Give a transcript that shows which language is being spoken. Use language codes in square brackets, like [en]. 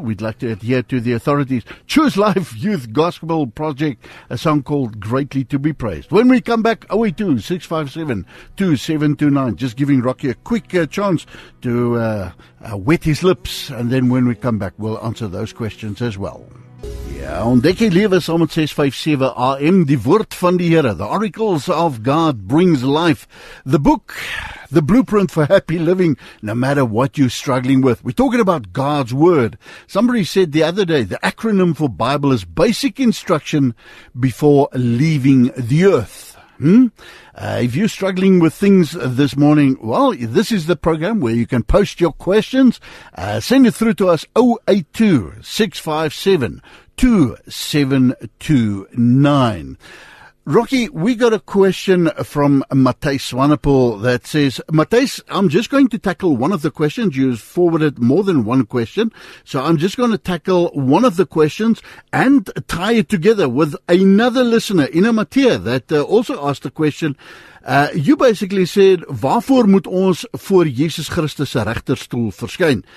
[en] We'd like to adhere to the authorities. Choose Life Youth Gospel Project, a song called Greatly to be Praised. When we come back, 082-657-2729, just giving Rocky a quick chance to wet his lips, and then when we come back, we'll answer those questions as well. [af] Yeah, ontdek jy lewe saam met 657 AM, die woord van die Here. [en] The Oracles of God brings life. The book, the blueprint for happy living, no matter what you're struggling with. We're talking about God's Word. Somebody said the other day, the acronym for Bible is Basic Instruction Before Leaving the Earth. If you're struggling with things this morning, well, this is the program where you can post your questions. Send it through to us, 082-657-2729. Rocky, we got a question from Matej Swanepoel that says, Matej, I'm just going to tackle one of the questions. You've forwarded more than one question. So I'm just going to tackle one of the questions and tie it together with another listener, Ina Matia, that also asked a question. You basically said, [af] waarvoor moet ons voor Jesus Christus se regterstoel verskyn?